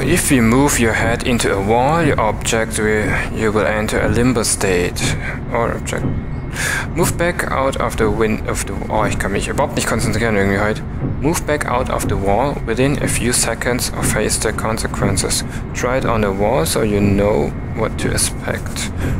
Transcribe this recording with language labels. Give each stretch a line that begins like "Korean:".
English: If you move your head into a wall, your object will, you will enter a limbo state. Or object. Move back out of the wind of the.
German: Oh, ich kann mich überhaupt nicht konzentrieren irgendwie heute.
English: Move back out of the wall within a few seconds or face the consequences. Try it on the wall so you know what to expect.